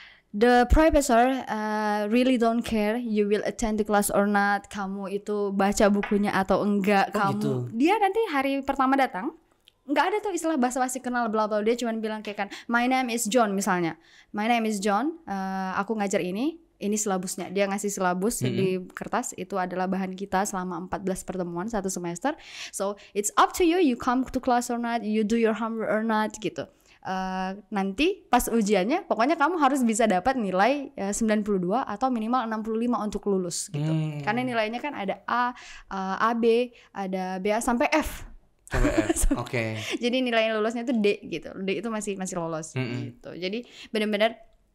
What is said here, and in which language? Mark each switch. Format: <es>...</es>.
<en>The professor really don't care you will attend the class or not.</en> <id>Kamu itu baca bukunya atau enggak. Oh, kamu gitu. Dia nanti hari pertama datang enggak ada tuh istilah bahasa basi kenal bla bla, dia cuma bilang kayak kan,</id> <en>my name is John</en> <id>misalnya.</id> <en>My name is John,</en> <id>aku ngajar ini. Ini silabusnya, dia ngasih silabus di kertas, itu adalah bahan kita selama 14 pertemuan satu semester.</id> <en>So it's up to you, you come to class or not, you do your homework or not gitu.</en> <id>Nanti pas ujiannya pokoknya kamu harus bisa dapat nilai 92 atau minimal 65 untuk lulus gitu. Karena nilainya kan ada A, AB, ada BA sampai F.</id> <en>Okay.</en> <id>Jadi nilai lulusnya itu D gitu. D itu masih lolos gitu. Jadi benar-benar</id>